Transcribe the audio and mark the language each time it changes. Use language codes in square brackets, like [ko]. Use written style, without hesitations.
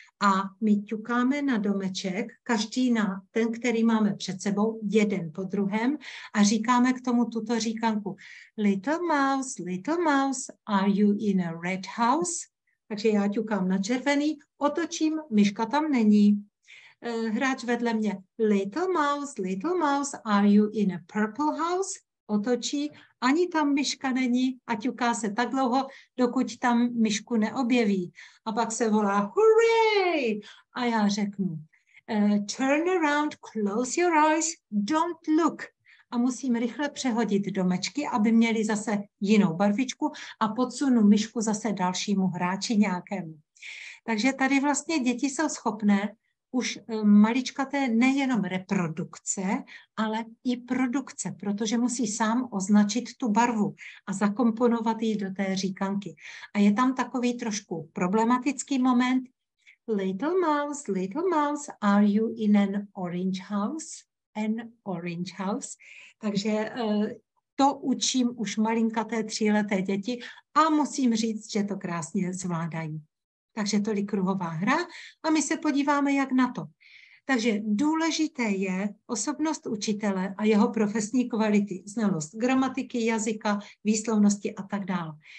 [cs] A my ťukáme na domeček, každý na ten, který máme před sebou, jeden po druhém. A říkáme k tomu tuto říkanku. [en] Little mouse, are you in a red house? [cs] Takže já ťukám na červený, otočím, myška tam není. Hráč vedle mě, [en] little mouse, are you in a purple house? [cs] Otočí, ani tam myška není a ťuká se tak dlouho, dokud tam myšku neobjeví. A pak se volá, hooray! A já řeknu, [en] turn around, close your eyes, don't look. [cs] A musím rychle přehodit domečky, aby měli zase jinou barvičku a podsunu myšku zase dalšímu hráči nějakému. Takže tady vlastně děti jsou schopné už maličkaté nejenom reprodukce, ale i produkce, protože musí sám označit tu barvu a zakomponovat ji do té říkanky. A je tam takový trošku problematický moment. [en] Little mouse, are you in an orange house? An orange house. [cs] Takže to učím už malinkaté tříleté děti a musím říct, že to krásně zvládají. Takže tolik kruhová hra a my se podíváme, jak na to. Takže důležité je osobnost učitele a jeho profesní kvality, znalost gramatiky, jazyka, výslovnosti a tak dále.